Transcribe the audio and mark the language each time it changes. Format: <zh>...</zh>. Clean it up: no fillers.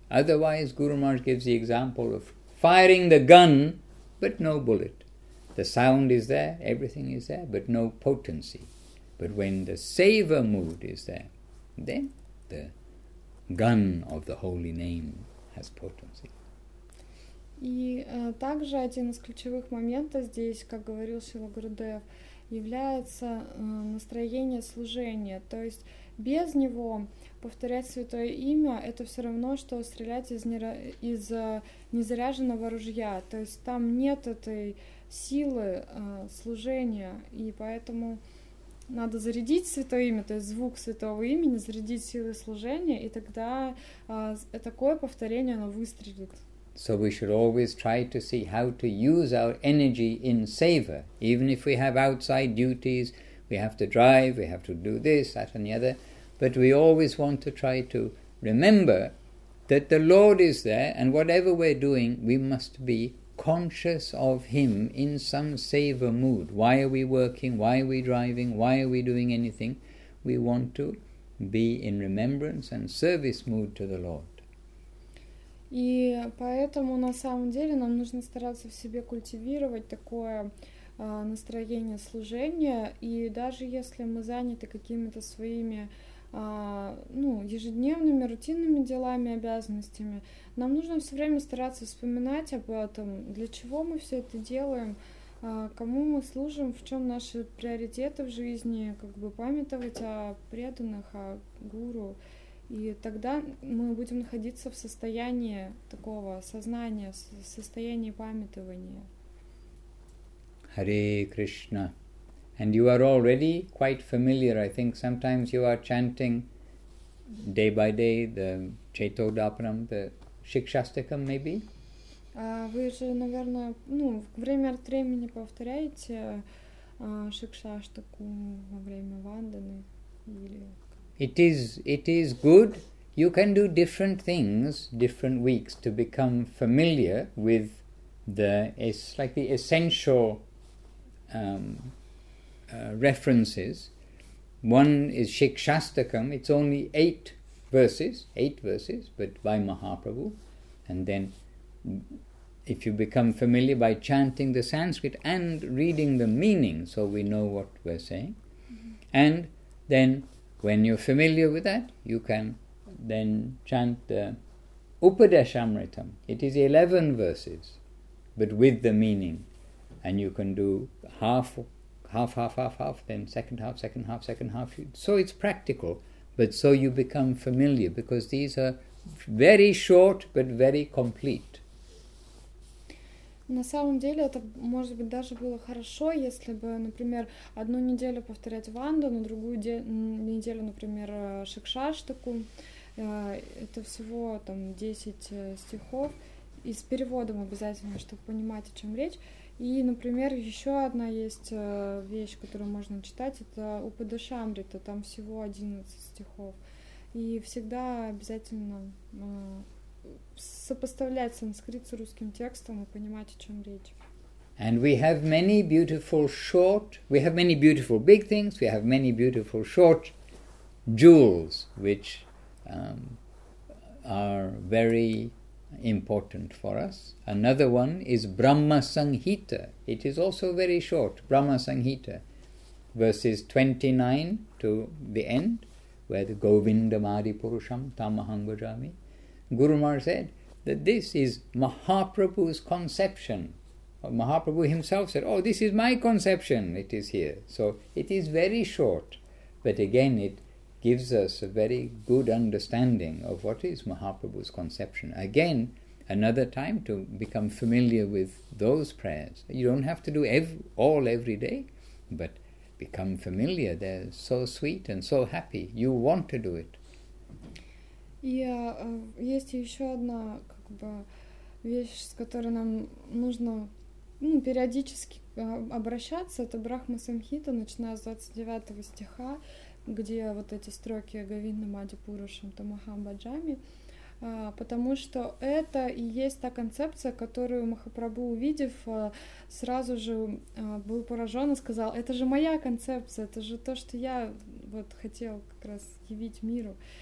<en>Otherwise, Guru Maharaj gives the example of firing the gun, but no bullet. The sound is there, everything is there, but no potency. But when the savor mood is there, then the gun of the holy name has potency.</en> <ru>И также один из ключевых моментов здесь, как говорил Шрила Гурудев, является настроение служения. То есть без него повторять Святое Имя – это все равно, что стрелять из незаряженного ружья. То есть там нет этой силы служения, и поэтому надо зарядить Святое Имя, то есть звук Святого Имени, зарядить силы служения, и тогда такое повторение, оно выстрелит.</ru> <en>So we should always try to see how to use our energy in seva. Even if we have outside duties, we have to drive, we have to do this, that and the other. But we always want to try to remember that the Lord is there, and whatever we're doing, we must be conscious of Him in some seva mood. Why are we working? Why are we driving? Why are we doing anything? We want to be in remembrance and service mood to the Lord.</en> <ru>И поэтому на самом деле нам нужно стараться в себе культивировать такое настроение служения, и даже если мы заняты какими-то своими ежедневными рутинными делами, обязанностями, нам нужно все время стараться вспоминать об этом, для чего мы все это делаем, кому мы служим, в чем наши приоритеты в жизни, как бы памятовать о преданных, о гуру. И тогда мы будем находиться в состоянии такого сознания, в состоянии памятования.</ru> <en>Hare Krishna. And you are already quite familiar, I think. Sometimes you are chanting day by day the Chaitodapanam, the Shikshastakam, maybe?</en> <ru>Вы же, наверное, время от времени повторяете Шикшаштаку во время ванданы или...</ru> <en>It is good. You can do different things, different weeks, to become familiar with the essential references. One is Shikshastakam. It's only eight verses, but by Mahaprabhu. And then if you become familiar by chanting the Sanskrit and reading the meaning, so we know what we're saying. Mm-hmm. And then when you're familiar with that, you can then chant the Upadeshamritam. It is 11 verses, but with the meaning. And you can do half, then second half. So it's practical, but so you become familiar, because these are very short, but very complete.</en> <ru>На самом деле, это, может быть, даже было хорошо, если бы, например, одну неделю повторять вандану, другую неделю, например, шикшаштаку. Это всего там 10 стихов, и с переводом обязательно, чтобы понимать, о чем речь. И, например, еще одна есть вещь, которую можно читать, это Упадешамрита, там всего 11 стихов. И всегда обязательно... сопоставлять санскрит с русским текстом и понимать, о чем речь.</ru> <en>And we have many beautiful short, we have many beautiful big things, we have many beautiful short jewels, which are very important for us. Another one is Brahma Sanghita. It is also very short, Brahma Sanghita, verses 29 to the end, where the</en> <sa>Govindam Adi Purusham Tamaham Bhajami.</sa> <en>Guru Maharaj said that this is Mahaprabhu's conception. Mahaprabhu himself said, oh, this is my conception, it is here. So it is very short, but again, it gives us a very good understanding of what is Mahaprabhu's conception. Again, another time to become familiar with those prayers. You don't have to do every day, but become familiar. They're so sweet and so happy. You want to do it.</en> <ru>И есть еще одна как бы вещь, с которой нам нужно периодически обращаться, это Брахма Самхита, начиная с 29 стиха, где вот эти строки</ru> <sa>Говинда Мади Пурушам Тамахам Баджами,</sa> <ru>потому что это и есть та концепция, которую Махапрабху, увидев, сразу же был поражен и сказал, это же моя концепция, это же то, что я вот хотел как раз явить миру.</ru>